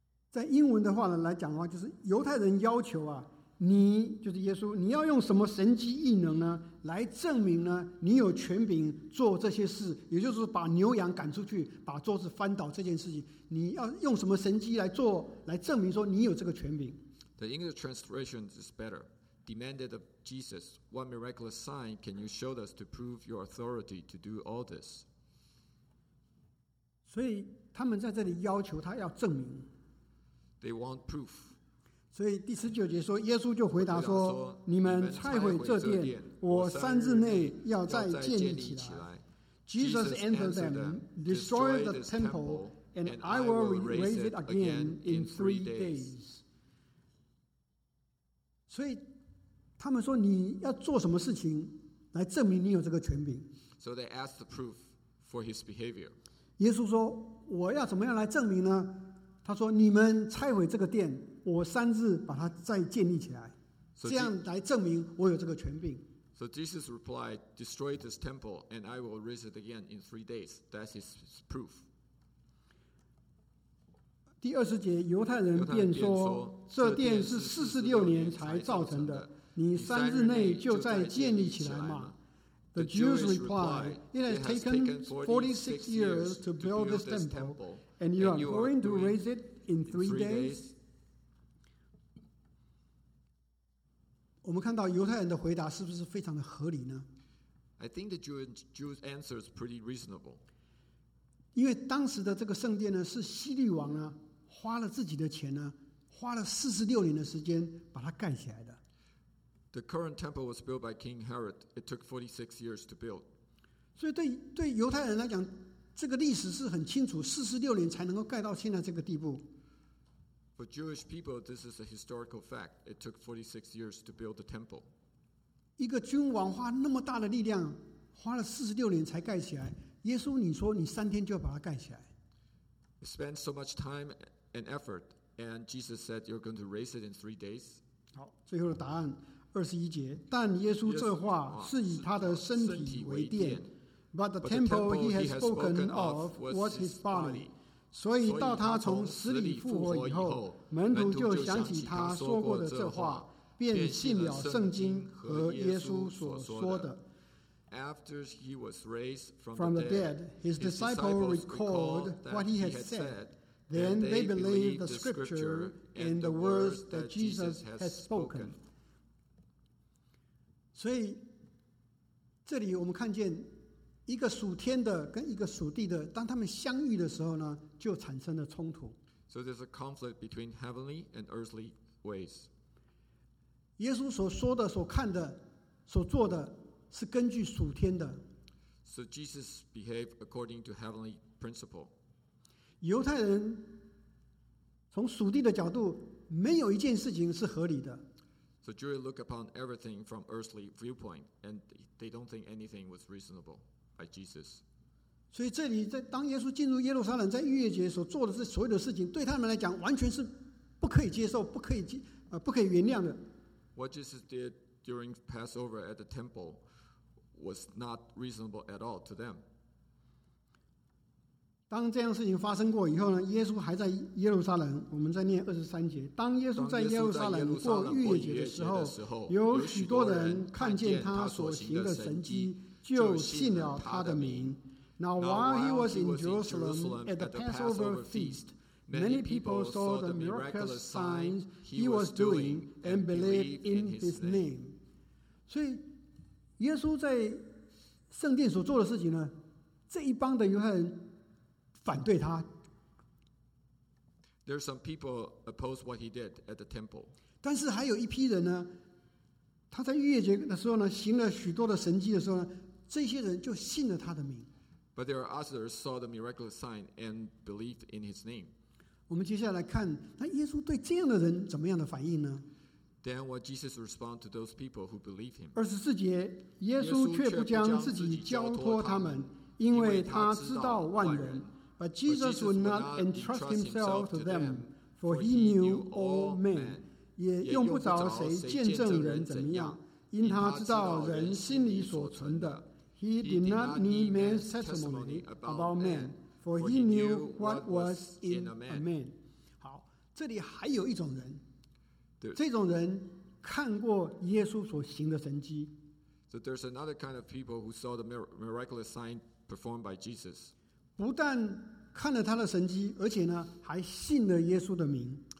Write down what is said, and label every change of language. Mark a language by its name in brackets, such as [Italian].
[Chinese] 在英文的话呢来讲的话，就是犹太人要求啊，你就是耶稣，你要用什么神迹异能呢，来证明呢你有权柄做这些事，也就是把牛羊赶出去，把桌子翻倒这件事情，你要用什么神迹来做，来证明说你有这个权柄。 [English] The English translation is better. Demanded of Jesus, what miraculous sign can you show us to prove your authority to do all this? [Chinese] 所以他们在这里要求他要证明。 [English] They want proof. [Chinese] 所以第十九节说，耶稣就回答说，你们拆毁这殿，我三日内要再建立起来。Jesus [English] answered them, destroy the temple, and I will raise it again in 3 days. [Chinese] 所以他们说，你要做什么事情来证明你有这个权柄？ [English] So they asked the proof for his behavior. [Chinese] 耶稣说，我要怎么样来证明呢？他说，你们拆毁这个殿，我三日把它再建立起来，这样来证明我有这个权柄。 [English] So Jesus replied, destroy this temple and I will raise it again in 3 days. That's his proof. [Chinese] 第二十节，犹太人便说，这殿是四十六年才造成的，你三日内就再建立起来嘛。 [English] The Jews replied, it has taken 46 years to build this temple. And you are going to raise it in 3 days? [Chinese] 我们看到犹太人的回答是不是非常的合理呢？ [English] I think the Jews' answer is pretty reasonable. [Chinese] 因为当时的这个圣殿呢，是希律王呢，花了自己的钱呢，花了46年的时间把它盖起来的。 [English] The current temple was built by King Herod. It took 46 years to build. [Chinese] 所以对犹太人来讲，这个历史是很清楚，四十六年才能够盖到现在这个地步。 [English] For Jewish people, this is a historical fact. It took 46 years to build the temple. [Chinese] 一个君王花那么大的力量，花了四十六年才盖起来。耶稣，你说你三天就要把它盖起来 [English] ？Spend so much time and effort, and Jesus said you're going to raise it in 3 days. [Chinese] 好，最后的答案21节，但耶稣这话是以他的身体为殿。 [English] But the temple he has spoken of was his body. [Chinese] 所以到他从死里复活以后，门徒就想起他说过的这话，便信了圣经和耶稣所说的。 [English] After he was raised from the dead, his disciples recalled what he had said. Then they believed the scripture and the words that Jesus had spoken. [Chinese] 所以这里我们看见一个属天的跟一个属地的，当他们相遇的时候呢，就产生了冲突。 [English] So there's a conflict between heavenly and earthly ways. [Chinese] 耶稣所说的、所看的、所做的，是根据属天的。 [English] So Jesus behaved according to heavenly principle. [Chinese] 犹太人从属地的角度，没有一件事情是合理的。 [English] So Jews look upon everything from earthly viewpoint, and they don't think anything was reasonable. Jesus. [Chinese] 所以这里在当耶稣进入耶路撒冷，在逾越节所做的所有的事情，对他们来讲完全是可以接受，不可以不可以原谅的。 [English] What Jesus did during Passover at the temple was not reasonable at all to them. [Chinese] 当这样事情发生过以后呢，耶稣还在耶路撒冷。我们在念二十三节，当耶稣在耶路撒冷过逾越节的时候，有许多人看见他所行的神迹，就信了他的名。 [English] Now while he was in Jerusalem at the Passover feast, many people saw the miraculous signs he was doing and believed in his name. [Chinese] 所以耶稣在圣殿所做的事情呢，这一帮的犹太人反对他。 [English] There are some people opposed what he did at the temple. [Chinese] 但是还有一批人呢，他在逾越节的时候呢，行了许多的神迹的时候呢，这些人就信了他的名。 [English] But there are others saw the miraculous sign and believed in his name. [Chinese] 我们接下来看，那耶稣对这样的人怎么样的反应呢？ [English] Then what Jesus responded to those people who believe him. [Chinese] 24节，耶稣却不将自己交托他们，因为他知道万人。 [English] But Jesus would not entrust himself to them, for he knew all men. [Chinese] 也用不着谁见证人怎么样，因他知道人心里所存的。 [English] He did not need man's testimony about man, for he knew what was in a man. [Chinese] 好，这里还有一种人。这种人看过耶稣所行的神迹。 [English] So there's another kind of people who saw the miraculous sign performed by Jesus. [Chinese] 不但看了他的神迹，而且呢，还信了耶稣的名。